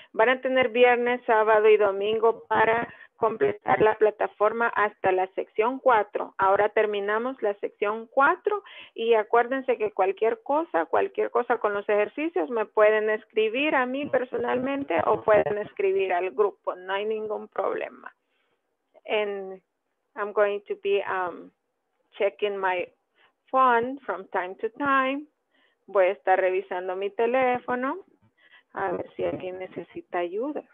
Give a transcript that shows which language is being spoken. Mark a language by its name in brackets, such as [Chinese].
[Spanish] Van a tener viernes, sábado y domingo para completar la plataforma hasta la sección 4. Ahora terminamos la sección 4 y acuérdense que cualquier cosa con los ejercicios me pueden escribir a mí personalmente o pueden escribir al grupo. No hay ningún problema. [English] And I'm going to be checking my phone from time to time. [Spanish] Voy a estar revisando mi teléfono a ver si alguien necesita ayuda.